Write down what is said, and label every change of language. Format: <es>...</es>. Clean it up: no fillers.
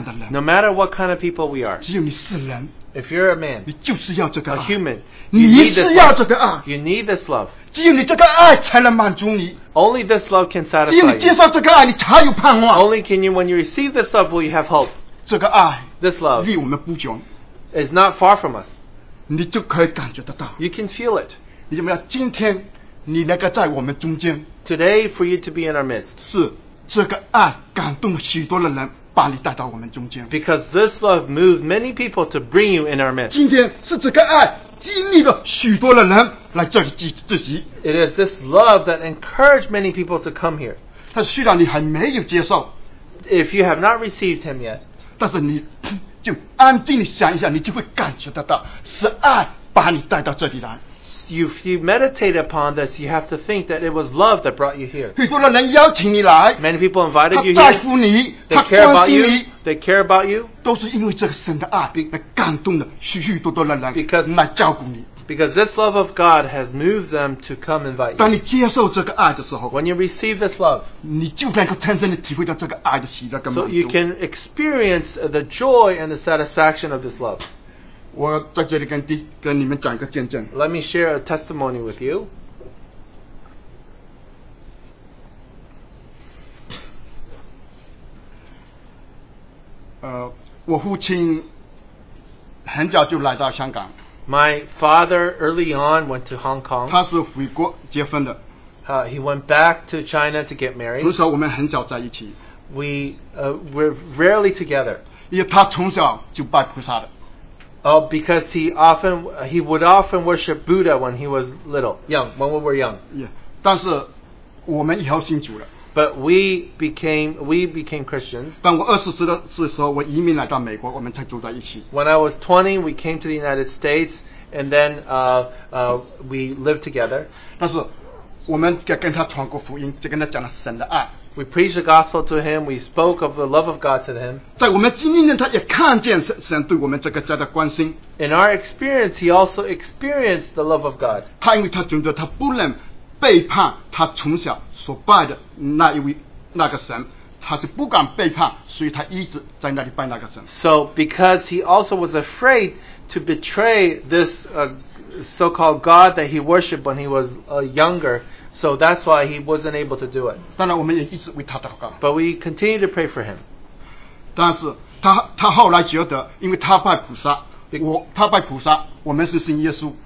<en>No matter what kind of people we are, if you're a man, a human, you need this love.</en> <zh>只有你这个爱才能满足你。</zh> <en>Only this love can satisfy.</en> <zh>只有你接受这个爱，你才有盼望。</zh> <en>Only can you, when you receive this love, will you have hope.</en> <zh>这个爱</zh> <en>，this love，</en> <zh>离我们不远</zh> <en>，is not far from us.</en> <zh>你就可以感觉得到。</zh> <en>You can feel it.</en> <zh>你怎么样？今天你那个在我们中间。</zh> <en>Today for you to be in our midst.</en> <zh>是这个爱感动许多的人。把你带到我们中间</zh> <en>Because this love moved many people to bring you in our midst.</en> <zh>今天是这个爱激励了许多的人来这里聚集</zh> <en>It is this love that encouraged many people to come here.</en> <zh>但虽然你还没有接受</zh> <en>If you have not received him yet.</en> <zh>但是你就安静地想一下你就会感觉得到是爱把你带到这里来</zh> <en>If you meditate upon this, you have to think that it was love that brought you here.</en> <zh>许多人邀请你来</zh> <en>Many people invited you here.</en> <zh>他在乎你</zh> <en>They care about you. They care about you.</en> <zh>都是因为这个神的爱来感动了许许多多的人来照顾你</zh> <en>Because this love of God has moved them to come invite you.</en> <zh>当你接受这个爱的时候</zh> <en>When you receive this love,</en> <zh>你就能够真正地体会到这个爱的喜乐跟满足</zh> <en>So you can experience the joy and the satisfaction of this love.</en> <zh>我在这里跟你们讲一个见证</zh> <en>Let me share a testimony with you.</en> <zh>我父亲很早就来到香港。</zh> <en>My father early on went to Hong Kong.</en> <zh>他是回国结婚的。</zh> <en>He went back to China to get married.</en> <zh>从小我们很少在一起。</zh> <en>We're rarely together.</en> <zh>因为他从小就拜菩萨的。</zh> <en>Because he would often worship Buddha when he was little, young, when we were young.</en> <zh>Yeah, 但是我们以后信主了。</zh> <en>But we became Christians.</en> <zh>当我二十岁的时候，我移民来到美国，我们才住在一起。</zh> <en>When I was 20, we came to the United States, and then we lived together.</en> <zh>但是我们跟他传过福音，就跟他讲了神的爱。</zh> <en>We preached the gospel to him. We spoke of the love of God to him.</en> <zh>在我们经历呢，他也看见神对我们这个家的关心。</zh> <en>In our experience, he also experienced the love of God.</en> <zh>他因为他觉得他不能。背叛他从小所拜的那一位那个神，他是不敢背叛，所以他一直在那里拜那个神。</zh> <en>So because he also was afraid to betray this so-called God that he worshipped when he was younger, so that's why he wasn't able to do it.</en> <zh>当然，我们也一直为他祷告。</zh> <en>But we continue to pray for him.</en> <zh>但是他后来觉得，因为他拜菩萨。他拜菩萨，我们是信耶稣。</zh>